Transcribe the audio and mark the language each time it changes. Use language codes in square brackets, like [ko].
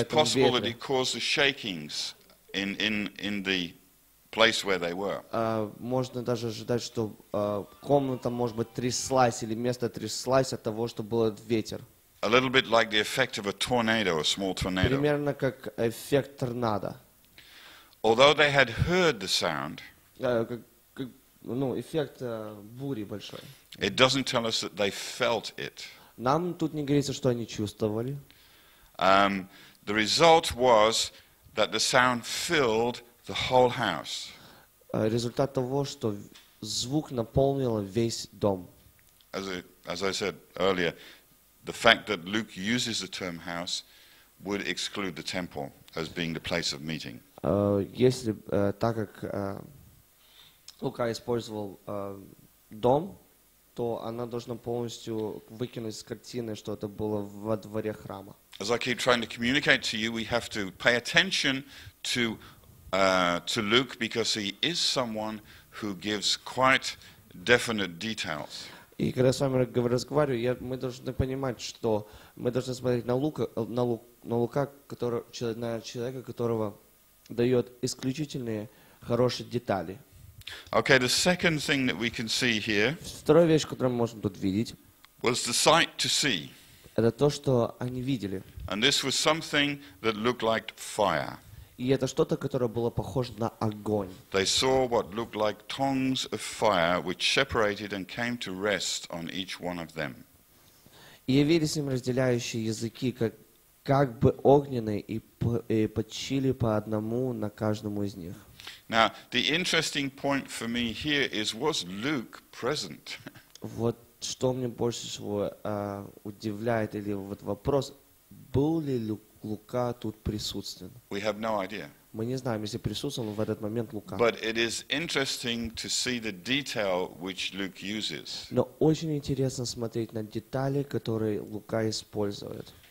[en] ветре. It is possible that it caused the shakings in the place where they were. [ru] Можно даже ожидать, что комната, может быть, тряслась или место тряслось от того, что был ветер. [en] A little bit like the effect of a tornado, a small tornado. [ru] Примерно как эффект торнадо. [en] Although they had heard the sound, [ru] эффект бури большой. [en] It doesn't tell us that they felt it. [ru] Нам тут не говорится, что они чувствовали. [en] The result was that the sound filled the whole house. [ru] Результат того, что звук наполнил весь дом. [en] As I said earlier. The fact that Luke uses the term house would exclude the temple as being the place of meeting. [ru] Если так как Лука использовал дом, то она должна полностью выкинуть из картины, что это было во дворе храма. [en] As I keep trying to communicate to you, we have to pay attention to Luke because he is someone who gives quite definite details. [ru] И когда с вами разговариваю, мы должны понимать, что мы должны смотреть на Лука, на человека, которого дает исключительные хорошие детали. [en] Okay, the second thing that we can see here. [ru] Вторая вещь, которую мы можем тут видеть. [en] Was the sight to see. [ru] Это то, что они видели. [en] And this was something that looked like fire. [ru] И это что-то, которое было похоже на огонь. [en] They saw what looked like tongues of fire, which separated and came to rest on each one of them. [ru] И явились им разделяющие языки, как бы огненные, и почили по одному на каждому из них. [en] Now, the interesting point for me here is, was Luke present? [ru] Вот что мне больше всего удивляет, или вот вопрос, был ли Лук? Лука тут присутствен. [en] We have no idea. [ru] Мы не знаем, если присутствовал в этот момент Лука. [en] But it is interesting to see the detail which Luke uses. [ru] Но очень интересно смотреть на детали, которые Лука использует.